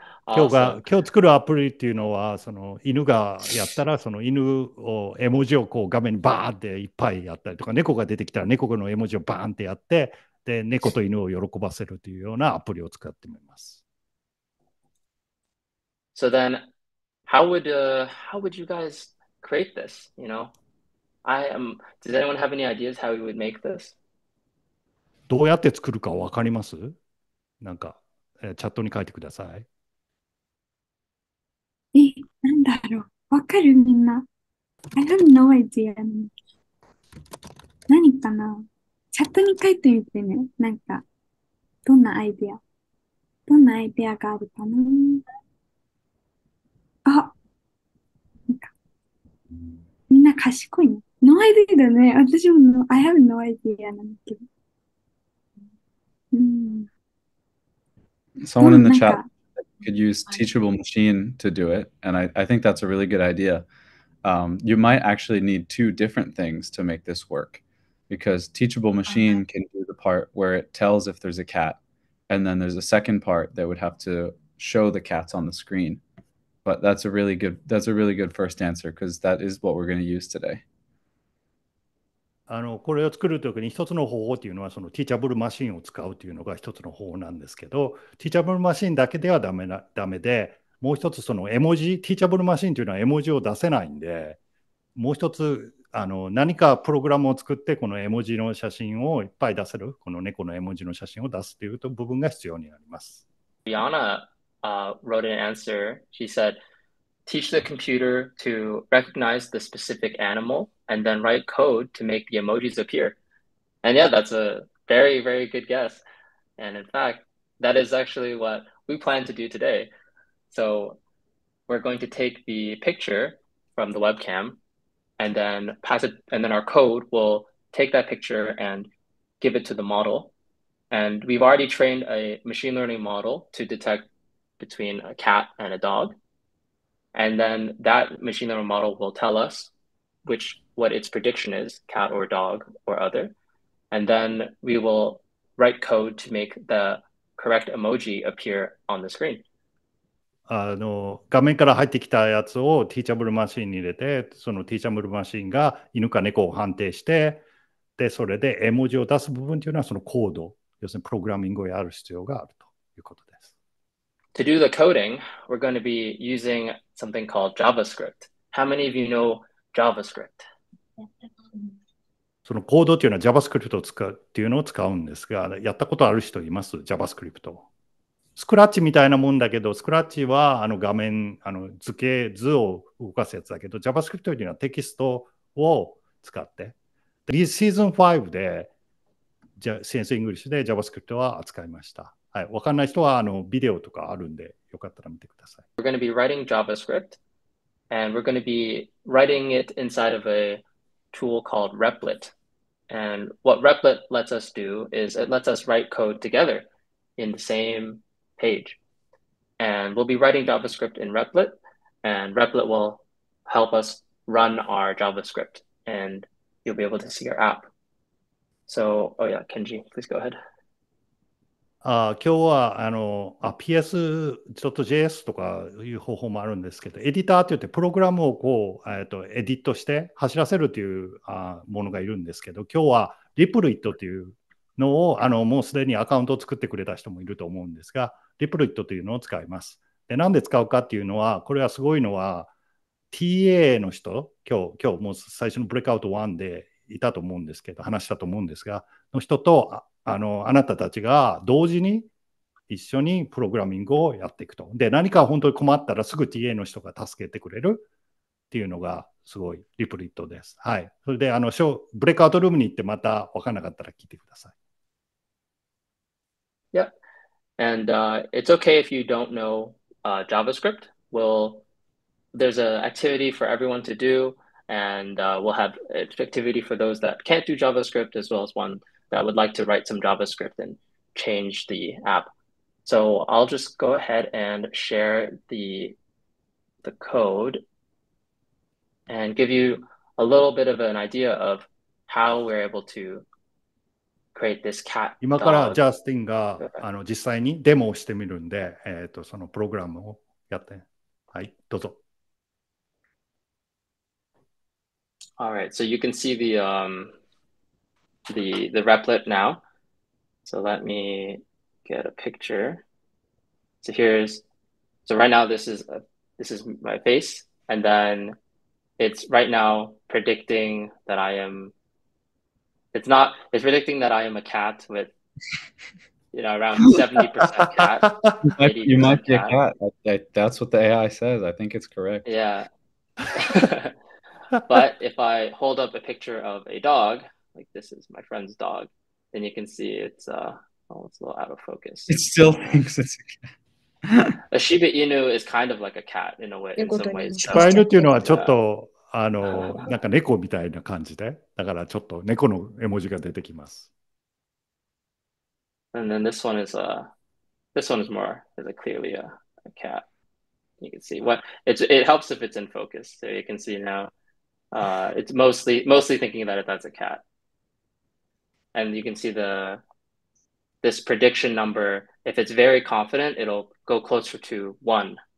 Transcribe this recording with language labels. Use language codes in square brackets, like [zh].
[ja] 今日作るアプリっていうのは、その犬がやったら、その犬を絵文字をこう画面にバーンっていっぱいやったりとか、猫が出てきたら猫の絵文字をバーンってやって、で猫と犬を喜ばせるというようなアプリを使ってみます。 [en] So then, how would you guys create this? You know, does anyone have any ideas how we would make this? [ja] どうやって作るかわかります？なんか、チャットに書いてください。え、なんだろう、わかる？みんな [en] I have no idea。 [ja] 何かな、チャットに書いてみてね。なんかどんなアイデア、どんなアイデアがあるかな。あ、なんかみんな賢いね。 [en] No idea [ja] だね。私も [en] I have no idea [ja] なんだけど。 [en] Someone in the chat could use Teachable Machine to do it, and I think that's a really good idea. You might actually need two different things to make this work, because Teachable Machine can do the part where it tells if there's a cat, and then there's a second part that would have to show the cats on the screen. But that's a really good first answer, because that is what we're going to use today. [ja] これを作るときに一つの方法というのは、そのティーチャブルマシンを使うというのが一つの方法なんですけど、ティーチャブルマシンだけではダメで、もう一つその絵文字、ティーチャブルマシンというのは絵文字を出せないんで、もう一つ何かプログラムを作って、この絵文字の写真をいっぱい出せる、この猫の絵文字の写真を出すという部分が必要になります。 [en] Yana, wrote an answer. She said, teach the computer to recognize the specific animal. And then write code to make the emojis appear. And yeah, that's a very, very good guess. And in fact, that is actually what we plan to do today. So we're going to take the picture from the webcam and then pass it, and then our code will take that picture and give it to the model. And we've already trained a machine learning model to detect between a cat and a dog. And then that machine learning model will tell us what its prediction is, cat or dog or other. And then we will write code to make the correct emoji appear on the screen. [ja] 画面から入ってきたやつをティーチャブルマシンに入れて、そのティーチャブルマシンが犬か猫を判定して、で、それで絵文字を出す部分というのはそのコード、要するにプログラミングをやる必要があるということです。 [en] To do the coding, we're going to be using something called JavaScript. How many of you know JavaScript? [ja] そのコードというのは JavaScript を使うっていうのを使うんですが、やったことある人います JavaScript。スクラッチみたいなもんだけど、スクラッチは画面図形図を動かすやつだけど、 JavaScript というのはテキストを使って、でシーズン5でセンスイングリッシュで JavaScript は扱いました。はい、わかんない人はビデオとかあるんで、よかったら見てください。 [en] We're going to be writing JavaScript and we're going to be writing it inside of a tool called Replit. And what Replit lets us do is it lets us write code together in the same page. And we'll be writing JavaScript in Replit, and Replit will help us run our JavaScript and you'll be able to see your app. So, oh yeah, Kenji, please go ahead. [ja] 今日はPS ちょっと JS とかいう方法もあるんですけど、エディターって言ってプログラムをこう、エディットして走らせるというものがいるんですけど、今日はリプルイットというのをもうすでにアカウントを作ってくれた人もいると思うんですが、リプルイットというのを使います。で、なんで使うかっていうのは、これはすごいのは TA の人、今日もう最初のブレイクアウト1でいたと思うんですけど、話したと思うんですが、の人とあなたたちが同時に一緒にプログラミングをやっていくと。で、何か本当に困ったらすぐ TA の人が助けてくれるっていうのがすごいリプリットです。はい。それでブレイクアウトルームに行ってまた分からなかったら聞いてください。 [en] Yeah. And it's okay if you don't know JavaScript. There's an activity for everyone to do, and we'll have an activity for those that can't do JavaScript as well as one that would like to write some JavaScript and change the app. So I'll just go ahead and share the code and give you a little bit of an idea of how we're able to create this cat. [ja] 今からジャスティンが実際にデモをしてみるんで、そのプログラムをやって、はい、どうぞ。 [en] All right, so you can see the replit now. So let me get a picture. So right now this is my face, and then it's right now predicting that I am. It's not. It's predicting that I am a cat with, around 70% cat. You might be a cat. That's what the AI says. I think it's correct. Yeah. But if I hold up a picture of a dog, like this is my friend's dog, then you can see it's a little out of focus. It still thinks it's a cat. A Shiba Inu is kind of like a cat in a way. In some ways. [ja] Shiba Inu っていうのはちょっとなんか猫みたいな感じで、だからちょっと猫の絵文字が出てきます。 [en] And then this one is more like clearly a cat. You can see it helps if it's in focus. So you can see now. It's mostly thinking about it as a cat. And you can see this prediction number, if it's very confident, it'll go closer to one.